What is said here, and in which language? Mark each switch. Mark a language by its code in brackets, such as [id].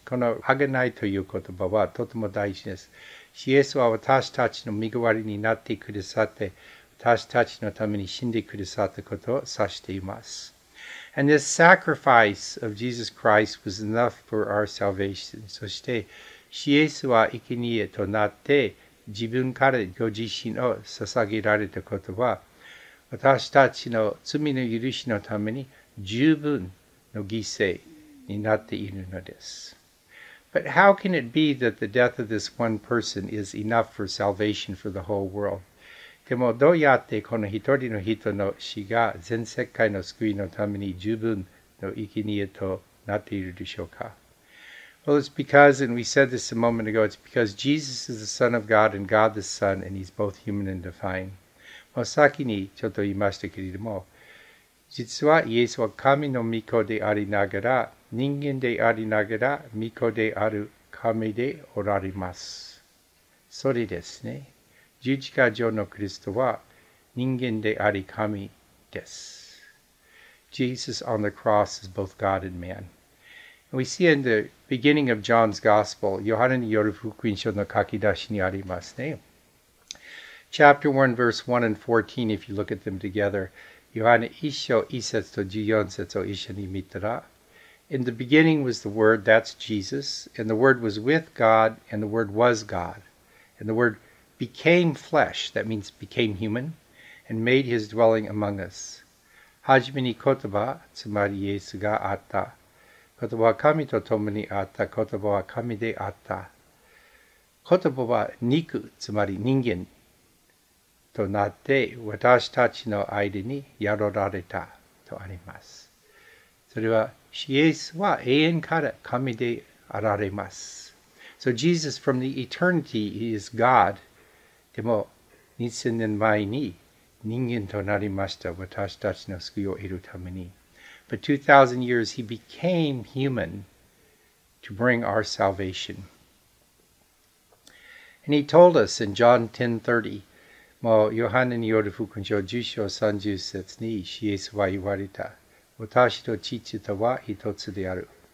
[ja] この贖いという言葉はとても大事です。イエスは私たちの身代わりになってくださって私たちのために死んでくださったことを指しています。 [en] And this sacrifice of Jesus Christ was enough for our salvation. [ja] そして、イエスは生贄となって、自分からご自身を捧げられたことは、私たちの罪の許しのために十分の犠牲になっているのです。 [en] But how can it be that the death of this one person is enough for salvation for the whole world? [ja] でもどうやってこの一人の人の死が全世界の救いのために十分の生贄となっているでしょうか? [en] Well, it's because, and we said this a moment ago, it's because Jesus is the Son of God and God the Son, and He's both human and divine. [ja] もう先にちょっと言いましたけれども、実はイエスは神の御子でありながら、人間でありながら、御子である神でおられます。それですね。十字架上のクリストは人間であり神です。 [en] Jesus on the cross is both God and man. And we see in the beginning of John's Gospel, [ja] ヨハネによる福音書の書き出しにありますね。 [en] Chapter 1, verse 1 and 14, if you look at them together, [ja] ヨハネ一章一節と十四節を一緒に見たら、 [en] In the beginning was the Word, that's Jesus, and the Word was with God, and the Word was God, and the WordBecame flesh, that means became human, and made his dwelling among us. [ja] はじめに言葉、つまりイエスがあった。言葉は神と共にあった。言葉は神であった。言葉は肉、つまり人間となって私たちの間に宿られたとあります。それはイエスは永遠から神であられます。 [en] So Jesus from the eternity is God. [ja] でも、2000年前に人間となりました。私たちの救いを得るために。 [en] But 2000 years, he became human to bring our salvation. And he told us in John 10:30, [ja] もう、ヨハネによる福音書10章30節に、イエスは言われた。私と父とは一つである。